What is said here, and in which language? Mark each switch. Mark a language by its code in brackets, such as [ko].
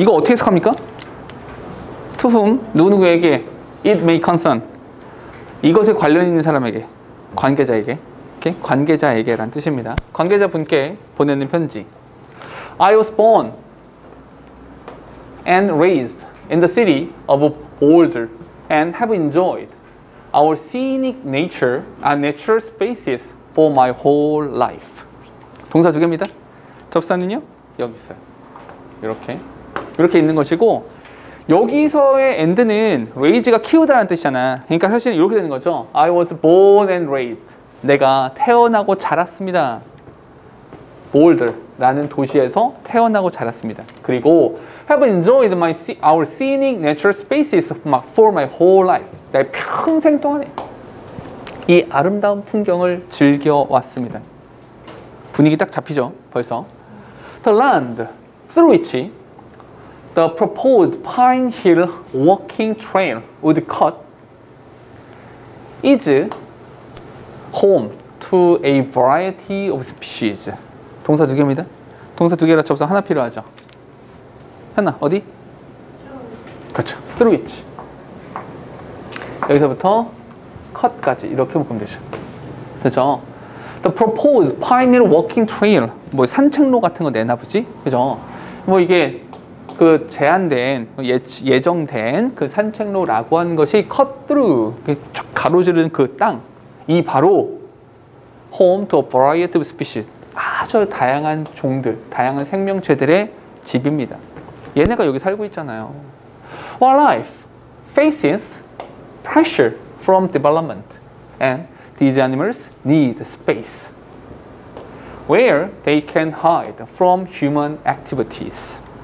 [ko] 이거 어떻게 해석합니까? [en] To whom, [ko] 누구누구에게 [en] it may concern. [ko] 이것에 관련 있는 사람에게, 관계자에게. 이렇게 관계자에게란 뜻입니다. 관계자분께 보내는 편지. [en] I was born and raised in the city of Boulder and have enjoyed our scenic nature and natural spaces for my whole life. [ko] 동사 두 개입니다. 접사는요? 여기 있어요. 이렇게. 이렇게 있는 것이고, 여기서의 and는 raise가 키우다라는 뜻이잖아. 그러니까 사실 이렇게 되는 거죠. [en] I was born and raised. [ko] 내가 태어나고 자랐습니다. Boulder라는 도시에서 태어나고 자랐습니다. 그리고 [en] have enjoyed our scenic natural spaces for my whole life. [ko] 내 평생 동안에 이 아름다운 풍경을 즐겨왔습니다. 분위기 딱 잡히죠, 벌써. [en] The land through which the proposed Pine Hill walking trail would cut is home to a variety of species. [ko] 동사 두 개입니다. 동사 두 개라 접속 하나 필요하죠. 하나 어디? 그렇죠. Through which. 여기서부터 cut까지 이렇게 묶으면 되죠. 그렇죠? [en] The proposed Pine Hill walking trail. [ko] 뭐 산책로 같은 거 내나 보지? 그죠? 뭐 이게 그 제한된, 예정된 그 산책로라고 하는 것이 cut through, 가로지르는 그 땅. 이 바로 [en] home to a variety of species. [ko] 아주 다양한 종들, 다양한 생명체들의 집입니다. 얘네가 여기 살고 있잖아요. [en] While life faces pressure from development and these animals need space where they can hide from human activities.